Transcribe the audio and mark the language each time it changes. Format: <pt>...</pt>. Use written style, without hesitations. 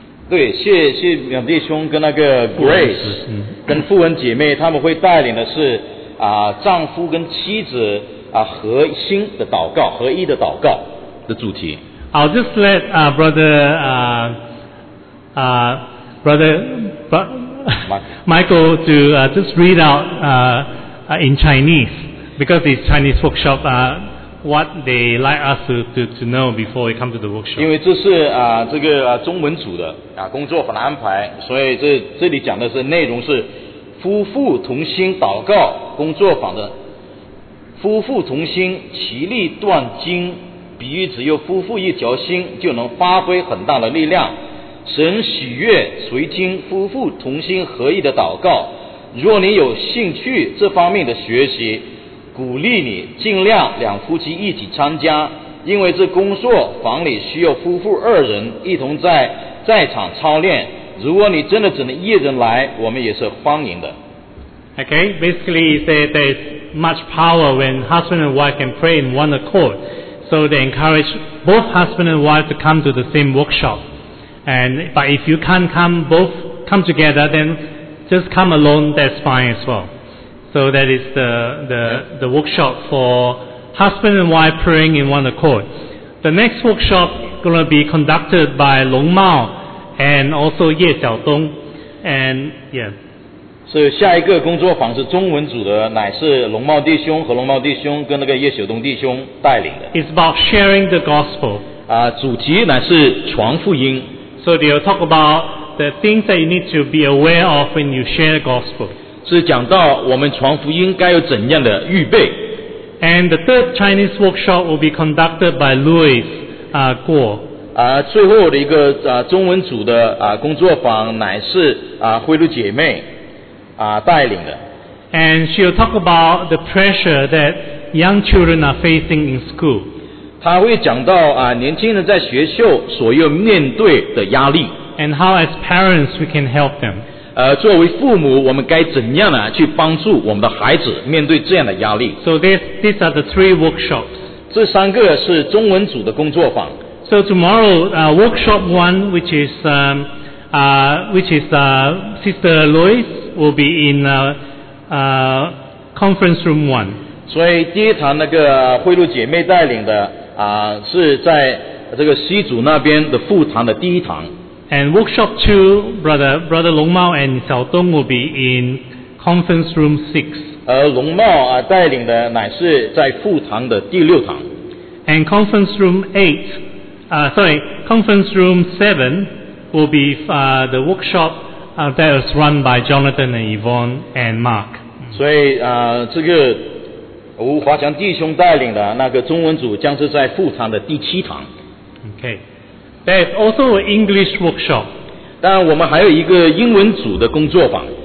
<zh>对，谢两弟兄跟那个 Grace 跟富文姐妹，他们会带领的是丈夫跟妻子合心的祷告，合一的祷告的主题。</zh> <en>I'll just let Michael to just read out in Chinese because it's Chinese workshop. What they like us to know before we come to the workshop.</en> <zh>因为这是这个中文组的工作坊的安排，所以这里讲的是内容是夫妇同心祷告工作坊的。夫妇同心，其利断金，比喻只有夫妇一条心，就能发挥很大的力量。神喜悦垂听夫妇同心合意的祷告。若你有兴趣这方面的学习。鼓励你尽量两夫妻一起参加，因为这工作坊里需要夫妇二人一同在场操练。如果你真的只能一人来，我们也是欢迎的。</zh> <en>Okay, basically, he said there is much power when husband and wife can pray in one accord. So so they encourage both husband and wife to come to the same workshop. And but if you can't come, both come together, then just come alone, that's fine as well. So that is the workshop for husband and wife praying in one accord. The next workshop is going to be conducted by Long Mao and also Ye Xiaodong. And</en> <zh>So, 下一个工作坊是中文组的，乃是龙茂弟兄和龙茂弟兄跟那个叶雪东弟兄带领的。</zh> <en>It's about sharing the gospel.</en> <zh>啊，主题乃是传福音。</zh> <en>So they'll talk about the things that you need to be aware of when you share the gospel.</en> <zh>是讲到我们传福音该有怎样的预备。</zh> <en>And the third Chinese workshop will be conducted by Louis, Guo.</en> <zh>啊，最后的一个中文组的工作坊乃是慧露姐妹。带领的。</zh> <en>And she'll talk about the pressure that young children are facing in school.</en> <zh>她会讲到年轻人在学校所要面对的压力。</zh> <en>And how as parents we can help them.</en> <zh>作为父母我们该怎样呢去帮助我们的孩子面对这样的压力。</zh> <en>So these are the three workshops.</en> <zh>这三个是中文组的工作坊。</zh> <en>So tomorrow, workshop one, which is Sister Louis, will be in conference room one.</en> <zh>所以第一堂那个慧露姐妹带领的是在这个C组那边的副堂的第一堂。</zh> <en>And workshop two, Brother Long Mao and Xiao Dong will be in conference room six.</en> <zh>而龙茂带领的乃是在副堂的第六堂。</zh> <en>And conference room eight, conference room seven. Will be the workshop that is run by Jonathan and Yvonne and Mark.</en> <zh>所以这个吴华强弟兄带领的那个中文组将是在副堂的第七堂。</zh> <en>Okay, there is also an English workshop.</en> <zh>但我们还有一个英文组的工作坊。</zh>